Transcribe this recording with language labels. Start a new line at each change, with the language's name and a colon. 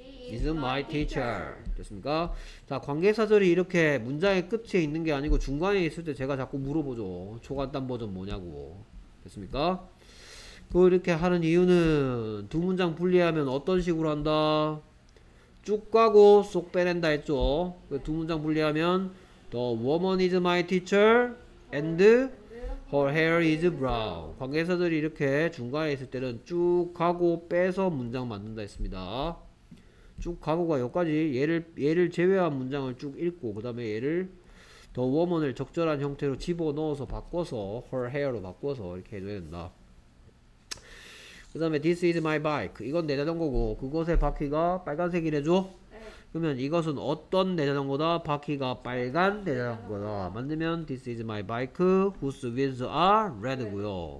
English: is my teacher.
Korean: 됐습니까? 자, 관계사절이 이렇게 문장의 끝에 있는 게 아니고 중간에 있을 때 제가 자꾸 물어보죠. 초간단 버전 뭐냐고. 됐습니까? 그걸 이렇게 하는 이유는 두 문장 분리하면 어떤 식으로 한다? 쭉 가고 쏙 빼낸다 했죠. 두 문장 분리하면
English: the woman is my teacher and her hair is brown.
Korean: 관계사절이 이렇게 중간에 있을 때는 쭉 가고 빼서 문장 만든다 했습니다. 쭉 가고가 여기까지 얘를 제외한 문장을 쭉 읽고 그 다음에 얘를 the woman을 적절한 형태로 집어넣어서 바꿔서 her hair로 바꿔서 이렇게 해줘야 된다. 그 다음에
English: this is my bike.
Korean: 이건 내 자전거고 그곳의 바퀴가 빨간색이래죠? 그러면 이것은 어떤 대자전거다? 바퀴가 빨간 대자전거다. 맞으면
English: this is my bike whose wheels are red고요.